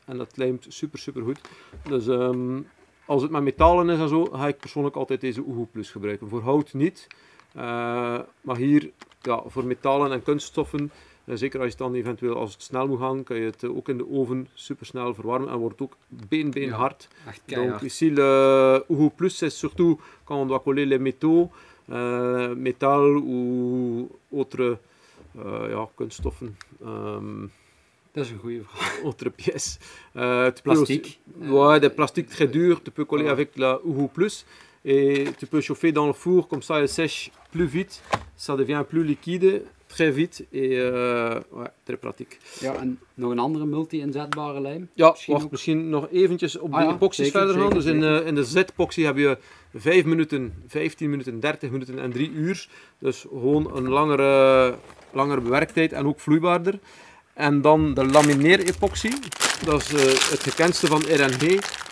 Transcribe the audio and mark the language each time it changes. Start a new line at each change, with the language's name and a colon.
Dutch: En dat lijmt super, super goed. Dus als het met metalen is en zo, ga ik persoonlijk altijd deze Oehoe Plus gebruiken. Voor hout niet. Maar hier, voor metalen en kunststoffen, zeker als je het dan eventueel als het snel moet gaan, kan je het ook in de oven super snel verwarmen en wordt het ook been hard. Echt keihard.
French: Donc ici le Oehoe Plus c'est surtout quand on doit coller les métaux, metaal ou autre kunststoffen.
Dutch: Dat is een goede vraag.
French: Autre pièce.
Dutch: Plastiek.
French: Ouais, de plastiek très dur, tu peux coller avec la Oehoe Plus. Et tu peux chauffer dans le four, comme ça elle sèche plus vite, ça devient plus liquide, très vite, et très pratique.
Dutch: Ja, en nog een andere multi-inzetbare lijm? Ja, misschien nog eventjes op de epoxy verder gaan. Dus in de Z-epoxy heb je 5 minuten, 15 minuten, 30 minuten en 3 uur. Dus gewoon een langere bewerktijd en ook vloeibaarder. En dan de lamineer-epoxy, dat is het gekendste van R&G.